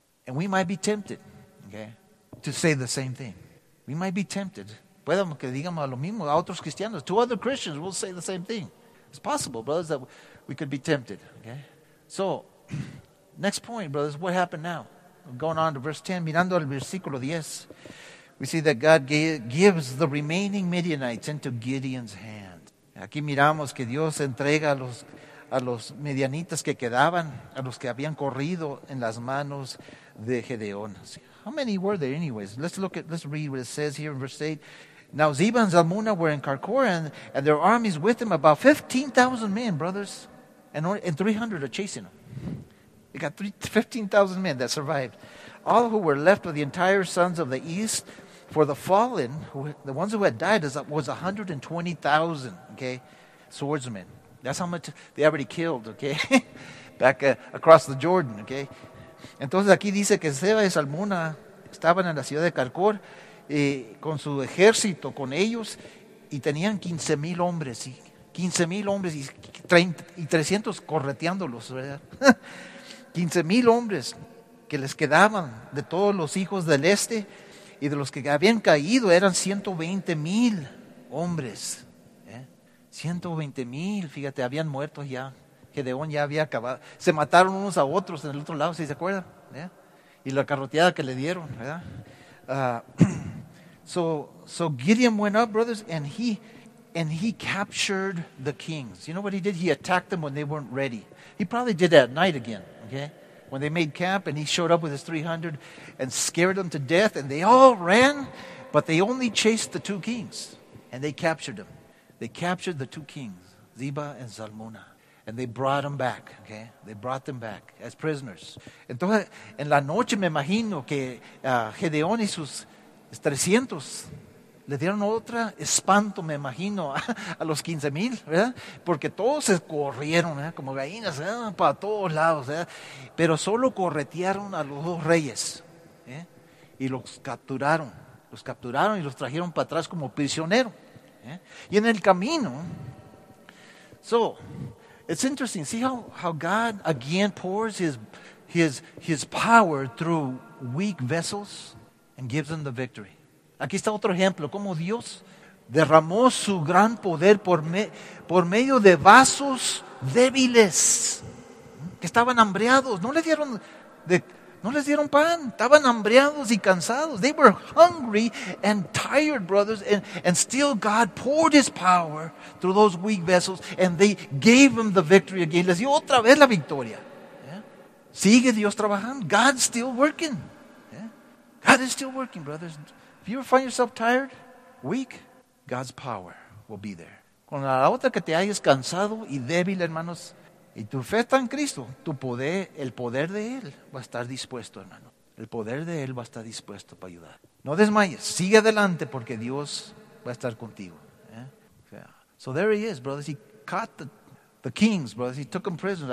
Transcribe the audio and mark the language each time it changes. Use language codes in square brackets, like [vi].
[en] And we might be tempted, okay, to say the same thing. We might be tempted. [es] Podemos que digamos lo mismo a otros cristianos. [en] To other Christians, we'll say the same thing. It's possible, brothers, that we could be tempted. Okay? So, next point, brothers, what happened now? going on to verse 10, [es] mirando al versículo 10, [en] we see that God gives the remaining Midianites into Gideon's hand. [es] Aquí miramos que Dios entrega a los medianitas que quedaban, a los que habían corrido en las manos de Gedeón. [en] How many were there anyways? Let's read what it says here in verse 8. Now Ziba and Zalmunna were in Karkoran, and their armies with them, about 15,000 men, brothers, and 300 are chasing them. They got 15,000 men that survived. All who were left were the entire sons of the east, for the fallen, the ones who had died, was 120,000, okay, swordsmen. That's how much they already killed, okay, back across the Jordan, okay. [es] Entonces aquí dice que Ziba y Zalmunna estaban en la ciudad de Karkor, con su ejército, con ellos, y tenían 15,000 hombres, ¿sí? 15,000 hombres y 300 correteándolos, ¿verdad? 15,000 hombres que les quedaban de todos los hijos del este, y de los que habían caído eran 120,000 hombres, ¿eh? 120,000, fíjate, habían muerto ya. Gedeón ya había acabado. Se mataron unos a otros en el otro lado, ¿sí se acuerdan? ¿Eh? Y la carroteada que le dieron, ¿verdad? So [en] Gideon went up, brothers, and he captured the kings. You know what he did? He attacked them when they weren't ready. He probably did that at night again, okay? When they made camp and he showed up with his 300 and scared them to death, and they all ran, but they only chased the two kings, and they captured them. They captured the two kings, Ziba and Zalmunna, and they brought them back, okay? They brought them back as prisoners. [es] Entonces, en la noche me imagino que Gedeón y sus 300 le dieron otra espanto, me imagino, a los 15,000, ¿verdad? Porque todos se corrieron, ¿verdad? Como gallinas, ¿verdad? Para todos lados, ¿verdad? Pero solo corretearon a los dos reyes, ¿eh? Y los capturaron y los trajeron para atrás como prisionero, ¿eh? Y en el camino, [en] so it's interesting, see how God again pours his power through weak vessels and gives them the victory. [es] Aquí está otro ejemplo, como Dios derramó su gran poder por medio de vasos débiles, que estaban hambreados, no les dieron pan, estaban hambreados y cansados. [en] They were hungry and tired, brothers, and still God poured his power through those weak vessels and they gave them the victory again. [es] Les dio otra vez la victoria. Yeah. Sigue Dios trabajando, [en] God's still working. God is still working, brothers. If you ever find yourself tired, weak, God's power will be there. [es] Con la otra que te hayas cansado y débil, hermanos, y tu fe está en Cristo, tu poder, el poder de Él va a estar dispuesto, hermano. El poder de Él va a estar dispuesto para ayudar. No desmayes, sigue adelante porque Dios va a estar contigo. [en] Yeah. So there he is, brothers. He caught the kings, brothers. He took them prisoners.